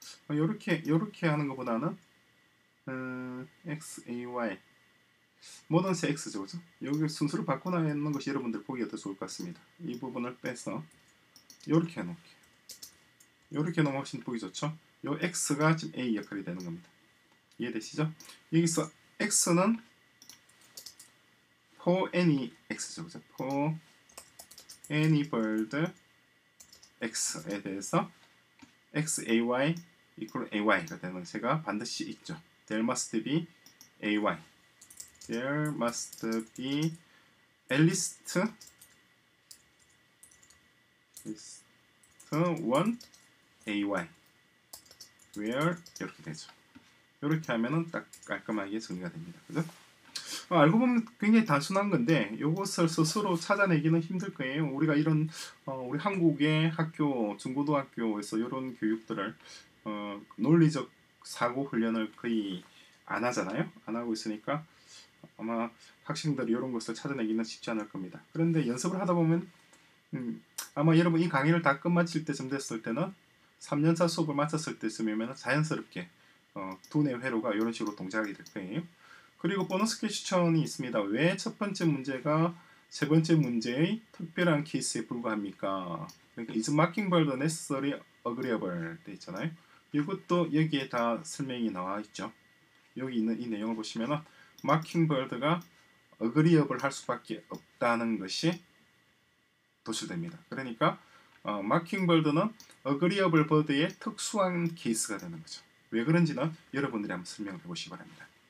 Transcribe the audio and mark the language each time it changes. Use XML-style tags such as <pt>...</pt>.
<ko>요렇게 하는 것보다는 XAY. 모든 새 X죠. 그죠? 여기 순서를 바꿔놓는 것이 여러분들 보기에 더 좋을 것 같습니다. 이 부분을 빼서 요렇게 해놓을게요. 이렇게 놓으면 훨씬 보기 좋죠? 이 X가 지금 A 역할이 되는 겁니다. 이해되시죠? 여기서 X는</ko> <en>for any X</en> <ko>죠. 그죠?</ko> <en>For any bird</en> <ko>X에 대해서 XAY equal AY가 되는 새가 반드시 있죠.</ko> <en>There must be AY. There must be at least one AY. Where?</en> <ko>이렇게 되죠. 이렇게 하면은 딱 깔끔하게 정리가 됩니다. 그죠? 알고 보면 굉장히 단순한 건데, 요것을 스스로 찾아내기는 힘들 거예요. 우리가 이런, 우리 한국의 학교, 중고등학교에서 이런 교육들을, 논리적 사고 훈련을 거의 안 하잖아요? 안 하고 있으니까 아마 학생들이 이런 것을 찾아내기는 쉽지 않을 겁니다. 그런데 연습을 하다 보면, 아마 여러분 이 강의를 다 끝마칠 때쯤 됐을 때는 3년차 수업을 마쳤을 때쯤이면 자연스럽게 두뇌 회로가 이런 식으로 동작이 될 거예요. 그리고 보너스 퀘스천이 있습니다. 왜첫 번째 문제가 세 번째 문제의 특별한 케이스에 불과합니까?</ko> <en>그러니까 Is mockingbird necessary agreeable?</en> <ko>돼 있잖아요. 이것도 여기에 다 설명이 나와 있죠. 여기 있는 이 내용을 보시면은 mockingbird가 agreeable 할 수밖에 없다는 것이 도출됩니다. 그러니까 마킹볼드는 어그리어블 버드의 특수한 케이스가 되는 거죠. 왜 그런지는 여러분들이 한번 설명을 해보시기 바랍니다.</ko>